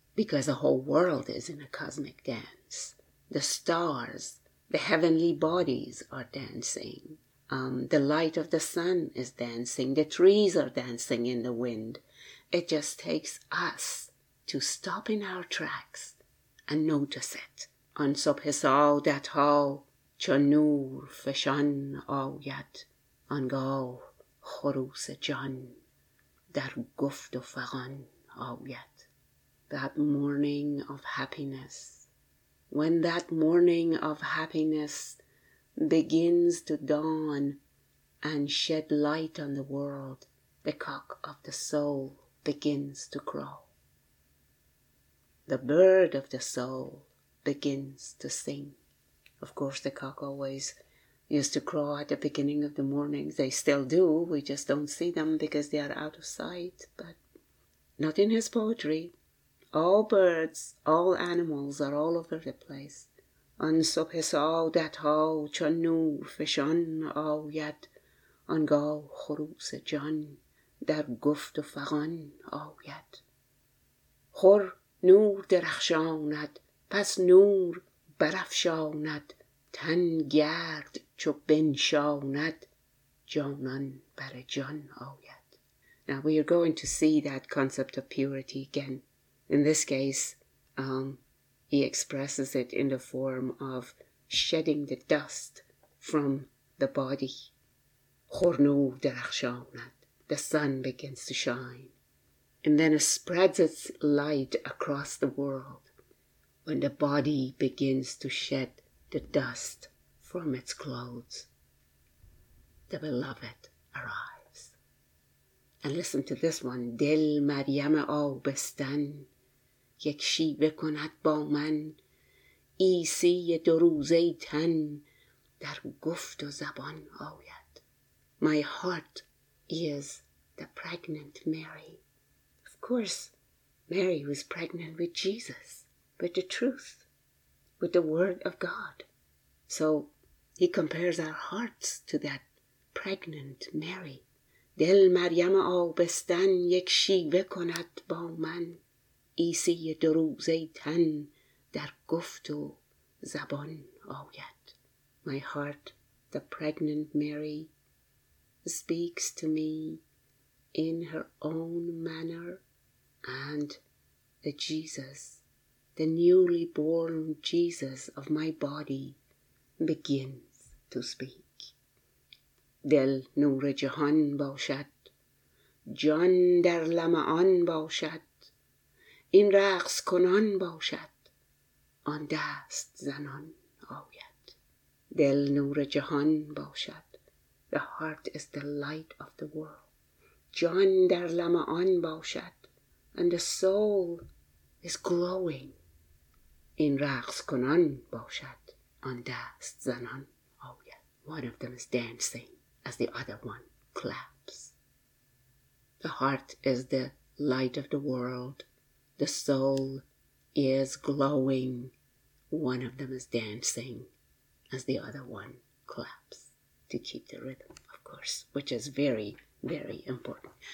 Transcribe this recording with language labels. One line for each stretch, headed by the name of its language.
English: Because the whole world is in a cosmic dance. The stars, the heavenly bodies are dancing. The light of the sun is dancing. The trees are dancing in the wind. It just takes us to stop in our tracks and notice it.
Persian: آن صبح سعادت ها چون نور فشان آید، آنگاه خروس جان در گفت و فغان آید.
English: That morning of happiness, when that morning of happiness begins to dawn and shed light on the world, the cock of the soul begins to crow. The bird of the soul begins to sing. Of course, the cock always used to crow at the beginning of the morning. They still do. We just don't see them because they are out of sight. But not in his poetry. All birds, all animals are all over the place.
Persian: آن صبح سعادت ها چون نور فشان آید، آنگاه خروس جان در گفت و فغان آید. خور نور درخشاند، پس نور برفشاند، تن گرد چو بنشاند، جانان بر جان آید.
English: Now we are going to see that concept of purity again. In this case, he expresses it in the form of shedding the dust from the body.
Persian: خورنور درخشاند,
English: the sun begins to shine. And then it spreads its light across the world when the body begins to shed the dust from its clothes. The beloved arrives. And listen to this one.
Persian: دل مریم آبستن یک شیوه کند با من، عیسی دروزه تن در گفت و زبان آید.
English: My heart is the pregnant Mary. Of course, Mary was pregnant with Jesus, with the truth, with the word of God. So he compares our hearts to that pregnant Mary.
Persian: دل مریم آبستن یک شیوه کند با من، عیسی دو روزه تن در گفت و زبان آید.
English: My heart, the pregnant Mary, speaks to me in her own manner, and the Jesus, the newly born Jesus of my body, begins to speak.
Persian: دل نور جهان باشد، جان در لمعان باشد، این رقص کنان باشد، آن دست زنان آید. دل نور جهان باشد،
English: the heart is the light of the world.
Persian: جان در لمعان باشد،
English: and the soul is glowing.
Persian: این رقص کنان باشد، آن دست زنان آید.
English: One of them is dancing as the other one claps. The heart is the light of the world. The soul is glowing. One of them is dancing as the other one claps, to keep the rhythm, of course, which is very, very important.